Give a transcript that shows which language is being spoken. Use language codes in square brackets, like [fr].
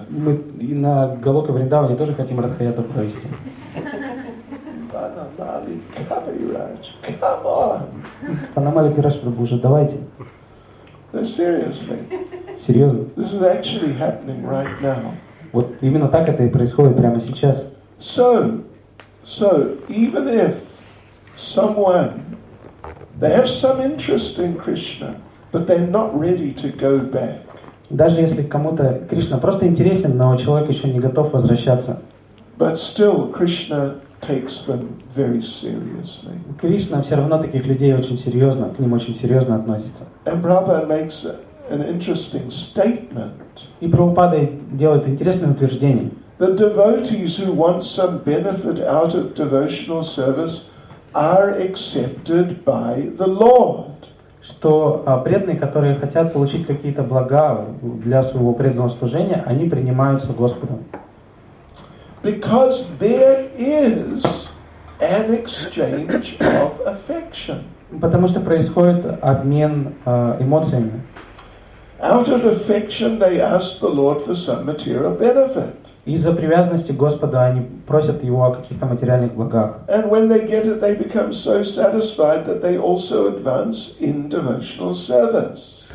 [ru] Мы на Голока Вриндаване тоже хотим Рафаэта провести. Панамали Кавираж, [en] come on! [ru] Панамали Кавираж, Прабхуджа, давайте. [en] No, seriously. [ru] Серьезно? [en] This is actually happening right now. [ru] Вот именно так это и происходит прямо сейчас. [en] So, even if someone, they have some interest in Krishna, but they're not ready to go back. [ru] Даже если кому-то Кришна просто интересен, но человек еще не готов возвращаться. [en] But still, Krishna takes them very seriously. [ru] Кришна все равно таких людей очень серьезно, к ним очень серьезно относится. [en] And Prabhupada makes an interesting statement. [ru] И Прабхупада делает интересное утверждение. [en] The devotees who want some benefit out of devotional service are accepted by the Lord. [ru] Что преданные, которые хотят получить какие-то блага для своего преданного служения, они принимаются Господом. [en] Because there is an exchange of affection. [ru] Потому что происходит обмен эмоциями. [en] Out of affection, they ask the Lord for some material benefit. [ru] Из-за привязанности к Господу они просят Его о каких-то материальных благах. [en] And when they get it, they become so satisfied that they also advance in devotional service.